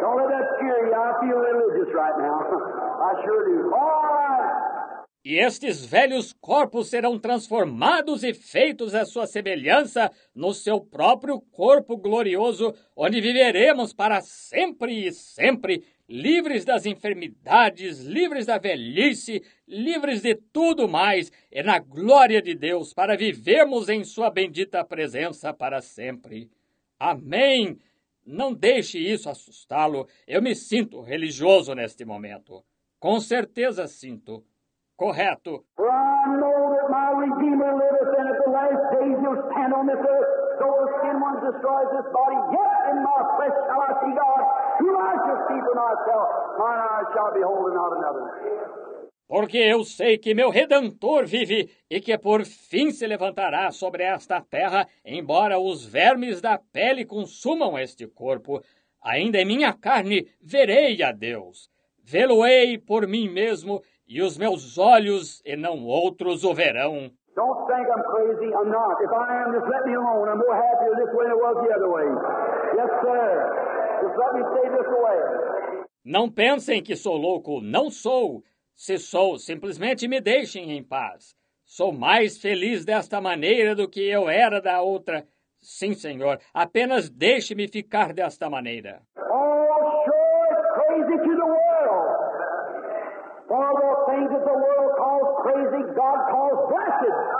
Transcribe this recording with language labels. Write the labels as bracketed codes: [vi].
[en] Don't let that scare you. I feel religious right now. I sure do. All right. [pt] e estes velhos corpos serão transformados e feitos à sua semelhança no seu próprio corpo glorioso, onde viveremos para sempre e sempre, livres das enfermidades, livres da velhice, livres de tudo mais, e na glória de Deus, para vivermos em sua bendita presença para sempre. Amém! Não deixe isso assustá-lo. Eu me sinto religioso neste momento. Com certeza sinto. Correto. [en] For I know that my Redeemer liveth, and at the last days he'll stand on this earth. Though the sin one destroys this body, yet in my flesh shall I see God, whom I shall see for myself. Mine eyes shall behold not another. [pt] Porque eu sei que meu Redentor vive e que por fim se levantará sobre esta terra, embora os vermes da pele consumam este corpo. Ainda em minha carne verei a Deus. Vê-lo-ei por mim mesmo e os meus olhos e não outros o verão. [en] Don't think I'm crazy, I'm not. If I am, just let me alone. I'm more happier this way than I was the other way. Yes, sir. Just let me stay this way. [pt] Não pensem que sou louco, não sou. Se sou, simplesmente me deixem em paz. Sou mais feliz desta maneira do que eu era da outra. Sim, Senhor, apenas deixe-me ficar desta maneira. [en] Oh, sure, it's crazy to the world. For the things that the world calls crazy, God calls blessed.